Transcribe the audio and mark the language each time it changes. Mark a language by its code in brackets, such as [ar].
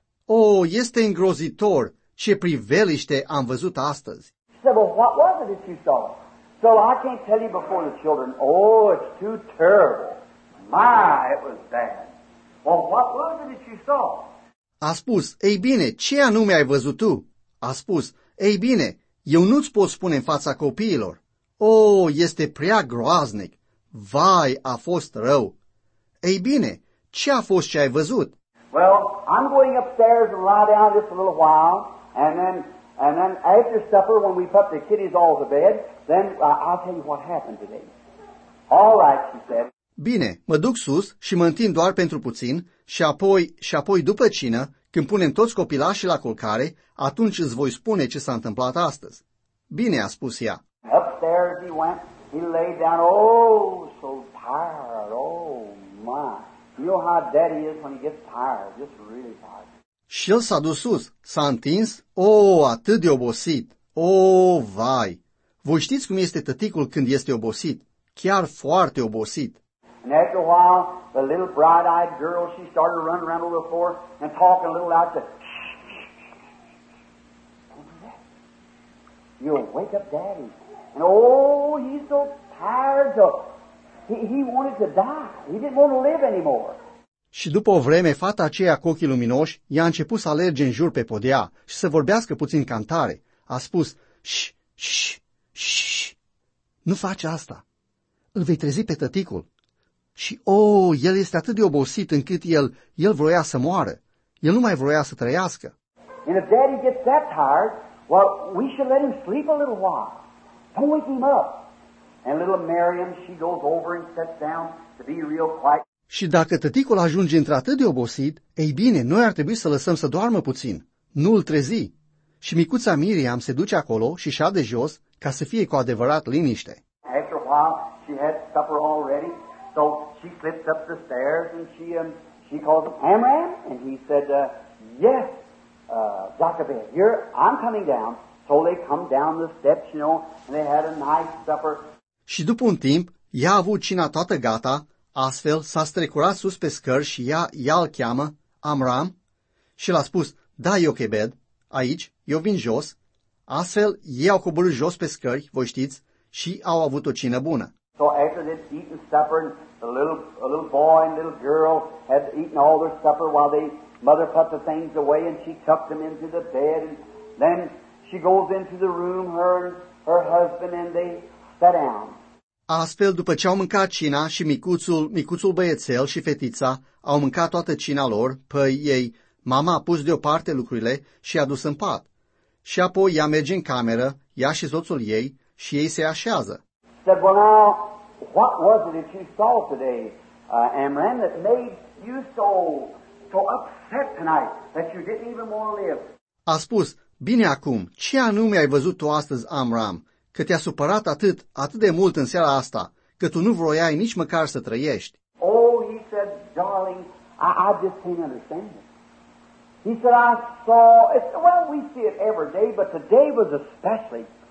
[ro] Oh, este îngrozitor ce priveliște am văzut astăzi. [en] So, well, what was it that you saw? So I can't tell you before the children, oh, it's too terrible. My, it was bad. Well, what was it that you saw? [ro] A spus, ei bine, ce anume ai văzut tu? A spus, ei bine, eu nu-ți pot spune în fața copiilor. Oh, este prea groaznic. Vai, a fost rău. Ei bine, ce a fost ce ai văzut? [en] Well, I'm going upstairs and lie down just a little while, and then after supper, when we put the kiddies all to bed, then I'll tell you what happened today. All right, she said. [ro] Bine, mă duc sus și mă întind doar pentru puțin și apoi după cină, când punem toți copilașii la culcare, atunci îți voi spune ce s-a întâmplat astăzi. Bine, a spus ea. [en] Upstairs he went, he lay down, oh, so tired, oh, my. You know how daddy is when he gets tired, just really tired. [ro] Și el s-a dus sus, s-a întins, oh, atât de obosit, oh, vai. Voi știți cum este tăticul când este obosit, chiar foarte obosit. [en] And after a while, the little bright-eyed girl, she started running around over the floor and talking a little loud, said, shh, shh, shh. You'll wake up daddy. And oh, he's so tired. He wanted to die. He didn't want to live anymore. [ro] Și după o vreme, fata aceea cu ochii luminoși, i-a început să alerge în jur pe podea și să vorbească puțin cantare. A spus, shh, shh, shh, shh. Nu faci asta. Îl vei trezi pe tăticul. Și, oh, el este atât de obosit încât el vroia să moară. El nu mai vroia să trăiască. [en] And if daddy gets that tired, well, we should let him sleep a little while. Don't wake him up. And little Miriam, she goes over and sits down to be real quiet. [ro] Și dacă tăticul ajunge într-atât de obosit, ei bine, noi ar trebui să lăsăm să doarmă puțin. Nu îl trezi. Și micuța Miriam se duce acolo și șade jos ca să fie cu adevărat liniște. [en] After a while, she had supper all ready. So she slips up the stairs and she calls Amram and he said, yes, Jochebed, here, I'm coming down. So they come down the steps, you know, and they had a nice supper. [ro] Și după un timp, ea a avut cina toată gata, astfel s-a strecurat sus pe scări și ea îl cheamă, Amram, și l-a spus, da, Jochebed, aici, eu vin jos. Astfel, ei au coborât jos pe scări, voi știți, și au avut o cină bună. [en] So after they'd eaten supper, a little boy and little girl had eaten all their supper while the mother put the things away and she tucked them into the bed. And then she goes into the room, her and her husband, and they sat down. [ro] Astfel, după ce au mâncat cina și micuțul băiețel și fetița au mâncat toată cina lor, păi ei, mama a pus deoparte lucrurile și i-a dus în pat. Și apoi ea merge în cameră, ea și soțul ei, și ei se așează. [en] Said, well now, what was it that you saw today, Amram, that made you so upset tonight that you didn't even want to live? [ro] A spus, bine acum, ce anume ai văzut tu astăzi, Amram, că te-a supărat atât de mult în seara asta, că tu nu vroiai nici măcar să trăiești? [en] Oh, he said, darling, I just can't understand it. He said, I saw, well, we see it every day, but today was especially.